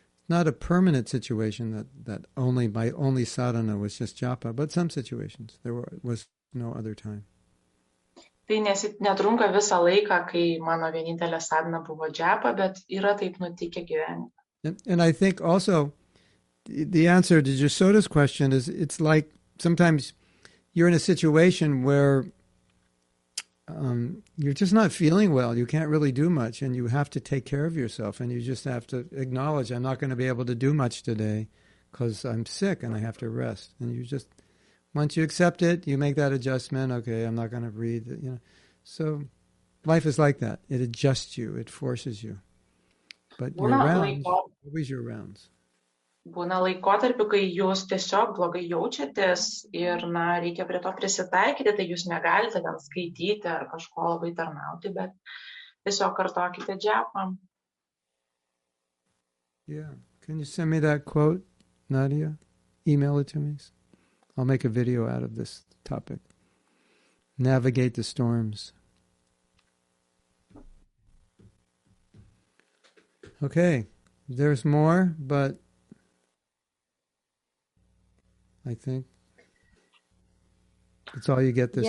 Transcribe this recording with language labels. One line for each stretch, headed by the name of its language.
English: Not a permanent situation that only my only sadhana was just japa, but some situations. There was no other time.
Lithuanian: Tai netrunka visą laiką, kai mano vienintelė sadhana buvo japa, bet yra taip nutikę gyvenime.
English: And I think also, the answer to Jasoda's question is, it's like sometimes you're in a situation where you're just not feeling well. You can't really do much and you have to take care of yourself and you just have to acknowledge, I'm not going to be able to do much today because I'm sick and I have to rest. And you just, once you accept it, you make that adjustment. Okay, I'm not going to read. You know. So life is like that. It adjusts you. It forces you. But your rounds, always your rounds.
Lithuanian: Būna laikotarpiu, kai jūs tiesiog blogai jaučiatės ir na, reikia prie to prisitaikyti, tai jūs negalite gal skaityti ar kažko labai tarnauti, bet tiesiog kartokite džiapą.
English: Yeah, can you send me that quote, Nadia? Email it to me. I'll make a video out of this topic. Navigate the storms. Okay, there's more, but I think it's all you get this